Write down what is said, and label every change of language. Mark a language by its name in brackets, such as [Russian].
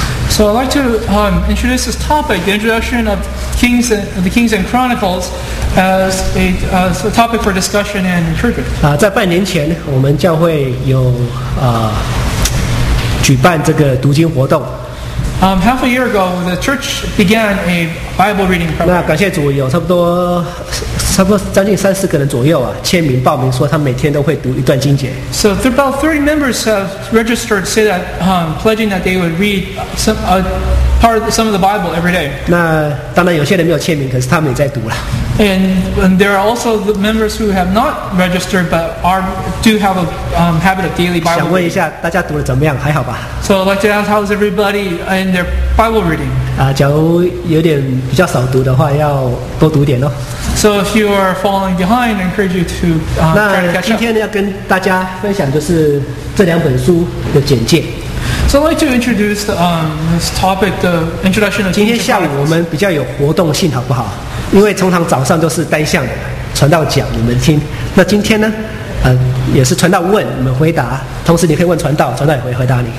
[English] So I'd like to introduce this topic, the introduction of Kings and, the Kings and Chronicles, as a topic for discussion and encouragement. [Chinese] 在半年前，我们教会有举办这个读经活动。 [English] Half a year ago, the church began a Bible reading program. [Chinese] 那感谢主，有差不多将近三四个人左右啊，签名报名说他每天都会读一段经节。 [English] So about 30 members have registered, say that pledging that they would read some of the Bible every day. [Chinese] 那当然有些人没有签名，可是他们也在读了。 [English] And there are also the members who have not registered but do have a habit of daily Bible reading. [Chinese] 想问一下大家读得怎么样，还好吧？ [English] So I'd like to ask how is everybody in their Bible reading? [Chinese] 假如有点比较少读的话，要多读点咯。 [English] So if you are falling behind, I encourage you to try to catch up. [Chinese] 那今天要跟大家分享就是这两本书的简介。 [English] So I'd like to introduce this topic, the introduction of [Chinese] 今天下午我们比较有活动性，好不好？因为通常早上都是单向的传道讲你们听，那今天呢也是传道问你们回答，同时你可以问传道，传道也会回答你。